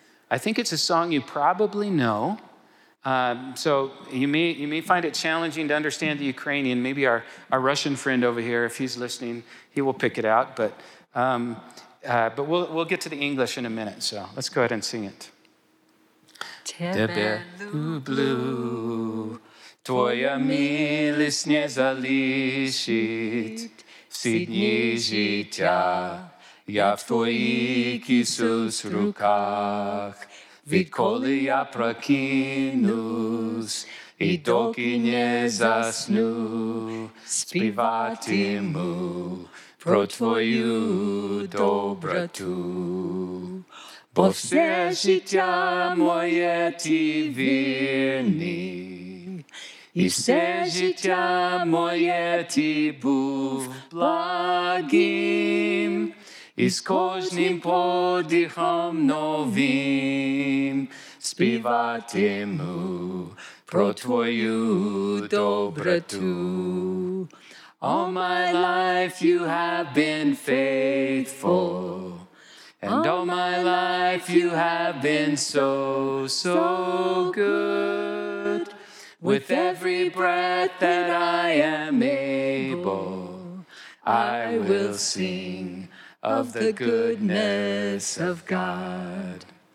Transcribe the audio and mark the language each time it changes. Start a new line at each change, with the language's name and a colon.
English: I think it's a song you probably know. So you may find it challenging to understand the Ukrainian. Maybe our Russian friend over here, if he's listening, he will pick it out. But we'll get to the English in a minute. So let's go ahead and sing it.
Ukrainian: Тебе люблю, твоя милість не залишить всі дні життя. Я в твоїх Ісус руках. Відколи я прокинусь і доки не засну, співатиму про твою доброту. Бо все життя моє ти вірний, і все життя моє ти був благим. І з кожним подихом новим співатиму про твою доброту.
English: All my life you have been faithful, and all my life you have been so, so good. With every breath that I am able, I will sing of the goodness of God.